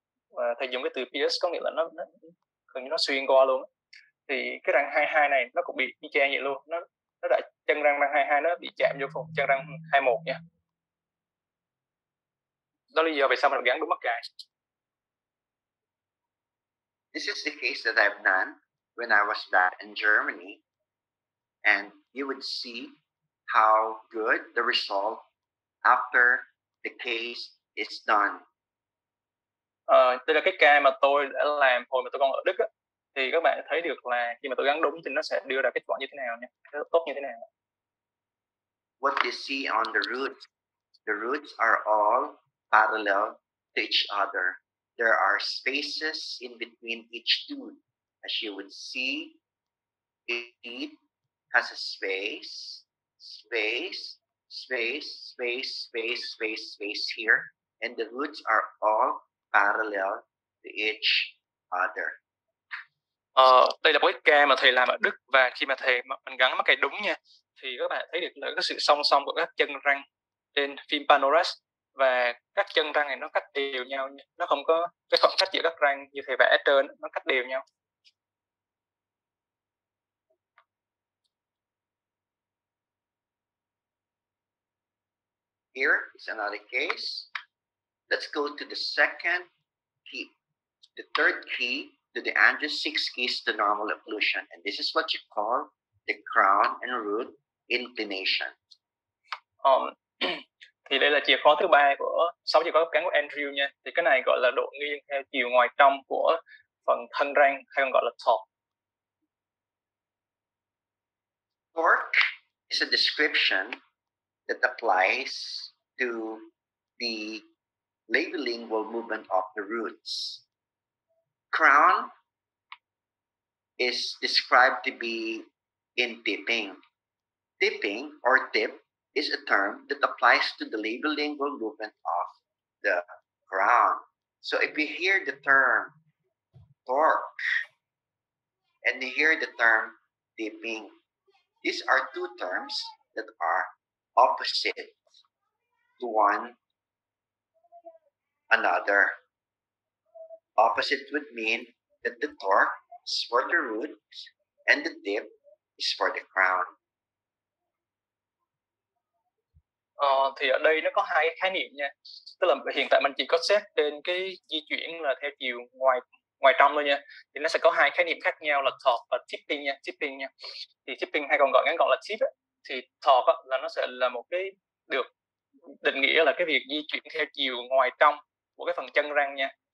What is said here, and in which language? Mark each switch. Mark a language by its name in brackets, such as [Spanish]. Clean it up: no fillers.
[Vietnamese] Và thầy dùng cái từ pierce có nghĩa là nó gần như nó xuyên qua luôn. Thì cái răng 2-2 này nó cũng bị y chang vậy luôn. Nó đã chân răng 2-2 nó bị chạm vô phần chân răng 2-1 nha. Đó là lý do vì sao mình gắn đúng mắc cài. [English] This is the case that I've done when I was back in Germany, and you would see how good the result after the case is done. [Vietnamese] Đây là cái ca mà tôi đã làm hồi mà tôi còn ở Đức á, thì các bạn thấy được là khi mà tôi gắn đúng thì nó sẽ đưa ra kết quả như thế nào nha, tốt như thế nào. [English] What you see on the roots? The roots are all parallel to each other. There are spaces in between each tooth. As you would see, it has a space, space, space, space, space, space, space here. And the roots are all parallel to each other. [Vietnamese] Đây là một cái ca mà thầy làm ở Đức. Và khi mà thầy mình gắn mắc cài đúng nha, thì các bạn thấy được là cái sự song song của các chân răng trên phim Panoras, và các chân răng này nó cách đều nhau, nó không có cái khoảng cách giữa các răng như thầy vẽ ở trên, nó cách đều nhau. [English] Here is another case. Let's go to the second key. The third key to the angel, six keys to normal occlusion. And this is what you call the crown and root inclination. [Vietnamese] Thì đây là chìa khóa thứ ba của sáu chìa khóa cấp cán của Andrew nha. Thì cái này gọi là độ nghiêng theo chiều ngoài trong của phần thân răng, hay còn gọi là torque. [English] Torque is a description that applies to the labilingual movement of the roots. Crown is described to be in tipping. Tipping or tip is a term that applies to the labiolingual movement of the crown. So if you hear the term torque and you hear the term tipping, these are two terms that are opposite to one another. Opposite would mean that the torque is for the root and the tip is for the crown. [Vietnamese] Thì ở đây nó có hai cái khái niệm nha. Tức là hiện tại mình chỉ có xét trên cái di chuyển là theo chiều ngoài trong thôi nha. Thì nó sẽ có hai khái niệm khác nhau là torque và tipping nha. Tipping nha. Thì tipping hay còn gọi ngắn gọn là tip ấy. Thì torque là nó sẽ là một cái được định nghĩa là cái việc di chuyển theo chiều ngoài trong của cái phần chân răng nha.